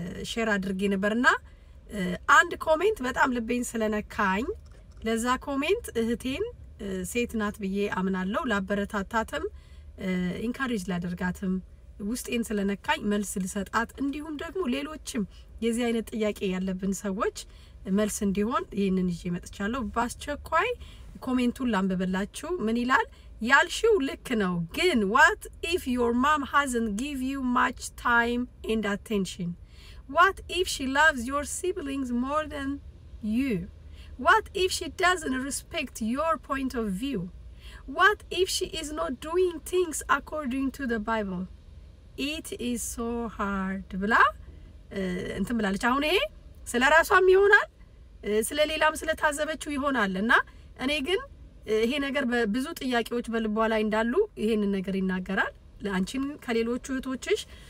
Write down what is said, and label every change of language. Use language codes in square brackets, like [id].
[am] ሼር አድርጌ ነበርና አንድ ኮሜንት በጣም ልቤን ስለነካኝ ለዛ ኮሜንት እህቴን ሴት ናት ብዬ አምናለሁ ላበረታታትም ኢንካሬጅ ላደርጋትም ውስጤን ስለነካኝ መልስ ልሰጣት እንዲሁም ደግሞ ሌሎችም የዚህ አይነት ጥያቄ ያለብን ሰዎች መልስ እንዲሆን ይሄንን ይዤ መጥቻለሁ። ባስቸኳይ ኮሜንቱን ላንብብላችሁ። ምን ይላል? ያልሽው ልክ ነው ግን [en] what if your mom hasn't give you much time and attention? What if she loves your siblings more than you? What if she doesn't respect your point of view? What if she is not doing things according to the Bible? It is so hard. [am] ብላ እንትን ብላለች። አሁን ይሄ ስለ ራሷም ይሆናል ስለ ሌላም ስለ ታዘበችው ይሆናልና እኔ ግን ይሄ ነገር ብዙ ጥያቄዎች በልቧ ላይ እንዳሉ ይሄን ነገር ይናገራል። አንቺም ከሌሎቹ እህቶችሽ